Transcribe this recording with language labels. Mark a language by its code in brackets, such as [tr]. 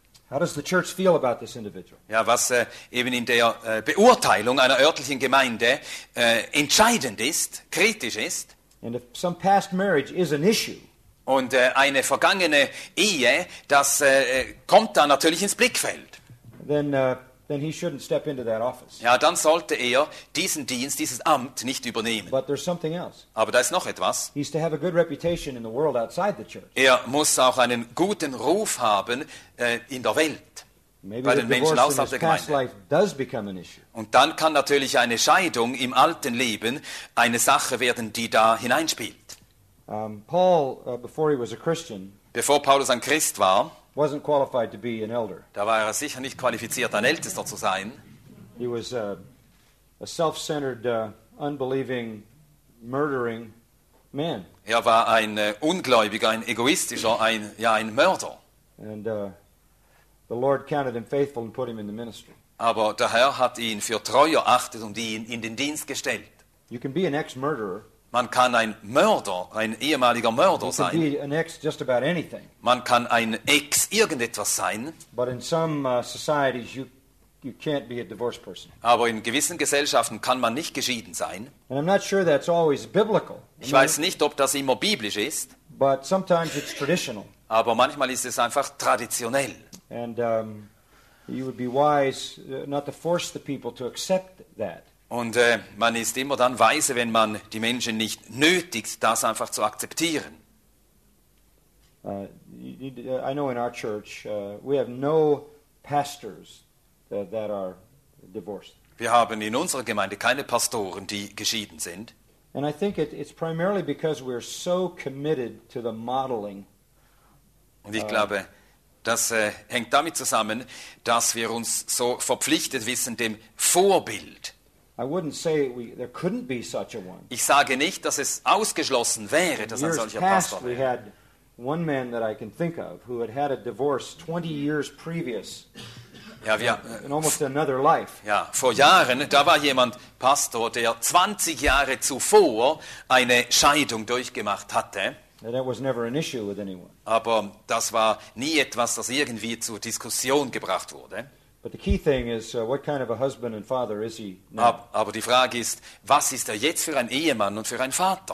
[en] how does the church feel about this individual? [de] Ja, was eben in der Beurteilung einer örtlichen Gemeinde entscheidend ist, kritisch ist. [en] And if some past marriage is an issue. [de] Und eine vergangene Ehe, das kommt da natürlich ins Blickfeld. [en] Then he shouldn't step into that office. [de] Ja, dann sollte er diesen Dienst, dieses Amt nicht übernehmen. [en] But there's something else. [de] Aber da ist noch etwas. [en] He's to have a good reputation in the world outside the church. [de] Er muss auch einen guten Ruf haben in der Welt. [en] Maybe [de] bei den Menschen außerhalb der Gemeinde. [en] Past life does become an issue. [de] Und dann kann natürlich eine Scheidung im alten Leben eine Sache werden, die da hineinspielt. [en] Paul, before he was a Christian, [de] bevor Paulus ein Christ war, [en] wasn't qualified to be an elder. [de] Da war er sicher nicht qualifiziert, ein Ältester zu sein. [en] He was a self-centered, unbelieving, murdering man. [de] Er war ein Ungläubiger, ein egoistischer, ein Mörder. [en] And the Lord counted him faithful and put him in the ministry. [de] Aber der Herr hat ihn für treu erachtet und ihn in den Dienst gestellt. [en] You can be an ex-murderer. [de] Man kann ein Mörder, ein ehemaliger Mörder sein. [en] You can be an ex just about anything. [de] Man kann ein Ex irgendetwas sein. [en] But in some societies you can't be a divorced person. [de] Aber in gewissen Gesellschaften kann man nicht geschieden sein. [en] And I'm not sure that's always biblical. [de] Ich weiß nicht, ob das immer biblisch ist. [en] But sometimes it's traditional. [de] Aber manchmal ist es einfach traditionell. [en] And you would be wise not to force the people to accept that. [de] Und man ist immer dann weise, wenn man die Menschen nicht nötigt, das einfach zu akzeptieren. [en] I know in our church we have no pastors that are divorced. [de] Wir haben in unserer Gemeinde keine Pastoren, die geschieden sind. [en] And I think it's primarily because we're so committed to the modeling. [de] Und ich glaube, das hängt damit zusammen, dass wir uns so verpflichtet wissen dem Vorbild. [en] I wouldn't say there couldn't be such a one. [de] Ich sage nicht, dass es ausgeschlossen wäre, dass ein solcher Pastor wäre. [en] We had one man that I can think of who had a divorce 20 years previous. [de] Ja, wir, [en] in almost another life. [de] Ja, vor Jahren, da war jemand Pastor, der 20 Jahre zuvor eine Scheidung durchgemacht hatte. [en] That was never an issue with anyone. [de] Aber das war nie etwas, das irgendwie zur Diskussion gebracht wurde. [en] But the key thing is, what kind of a husband and father is he now? [de] Aber die Frage ist, was ist jetzt für ein Ehemann und für ein Vater?